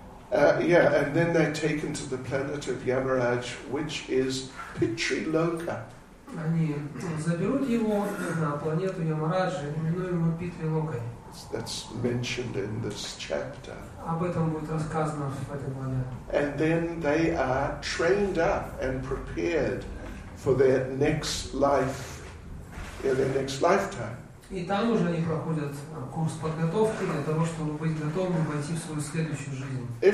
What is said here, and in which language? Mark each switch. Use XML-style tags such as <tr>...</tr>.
<en>Yeah, and then they're taken to the planet of Yamaraj, which is Pitriloka.</en> <ru>Они заберут его на планету Ямараджа, именуемую Питрилокой.</ru> <en>That's mentioned in this chapter.</en> <ru>Об этом будет рассказано в этой главе.</ru> <en>And then they are trained up and prepared for their next life, their next lifetime.</en> <ru>И там уже они проходят курс подготовки для того, чтобы быть готовым войти в свою следующую жизнь.</ru>